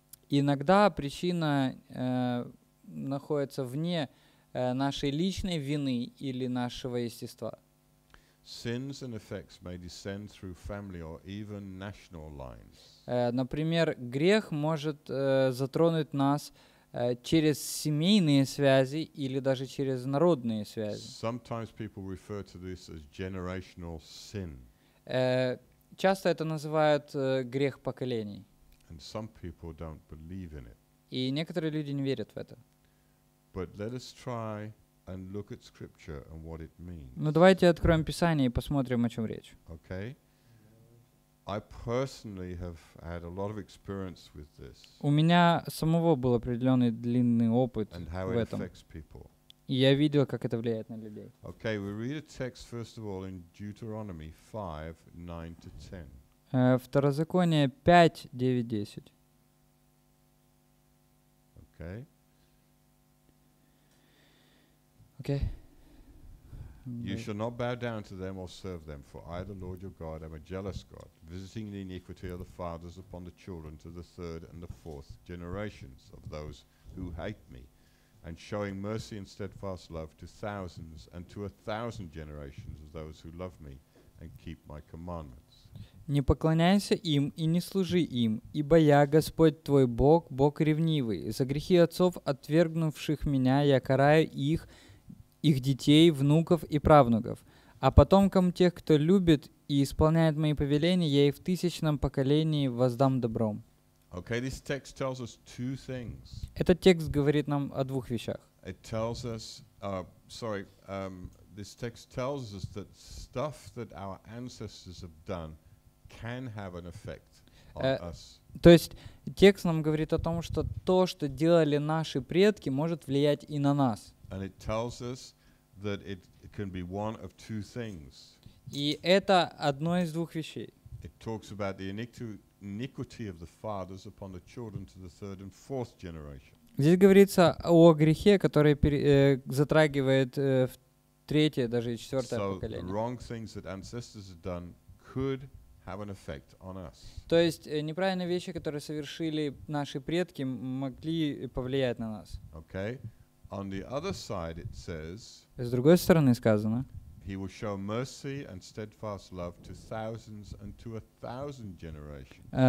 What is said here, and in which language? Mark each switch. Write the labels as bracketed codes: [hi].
[ru] Иногда причина находится вне нашей личной вины или нашего естества. [en] Sins and effects may descend through family or even national lines. [ru] Например, грех может затронуть нас через семейные связи или даже через народные связи. [en] Sometimes people refer to this as generational sin. [ru] Часто это называют грех поколений. [en] And some people don't believe in it. [ru] И некоторые люди не верят в это. [en] But let us try and look at scripture and what it means. [ru] Но давайте откроем Писание и посмотрим, о чем речь. [en] Okay. I personally have had a lot of experience with this. [ru] У меня самого был определенный длинный опыт в этом. И я видел, как это влияет на людей. [en] Okay, we read a text first of all in Deuteronomy 5, 9 to 10. [ru] Второзаконие 5, 9, 10. [en] Okay. Okay. You shall not bow down to them or serve them, for I, the Lord your God, am a jealous God, visiting the iniquity of the fathers upon the children to the third and the fourth generations of those who hate me, and showing mercy and steadfast love to thousands and to a thousand generations of those who love me and keep my commandments. [ru] Не поклоняйся им и не служи им, ибо я, Господь твой Бог, Бог ревнивый. За грехи отцов, отвергнувших меня, я караю их, их детей, внуков и правнуков. А потомкам тех, кто любит и исполняет мои повеления, я и в тысячном поколении воздам добром. [en] Okay, this text tells us two things. [ru] Этот текст говорит нам о двух вещах. [en] It tells us, this text tells us that stuff that our ancestors have done can have an effect on us. [ru] То есть текст нам говорит о том, что то, что делали наши предки, может влиять и на нас. [en] And it tells us that it can be one of two things. [ru] И это одно из двух вещей. [en] It talks about the iniquity of the fathers upon the children to the third and fourth generation. [ru] Здесь говорится о грехе, который затрагивает третье, даже и четвертое поколение. [en] So the wrong things that ancestors have done could have an effect on us. [ru] То есть неправильные вещи, которые совершили наши предки, могли повлиять на нас. [en] Okay. On the other side it says. [ru] С другой стороны сказано. [en] He will show mercy and steadfast love to thousands and to a thousand generations.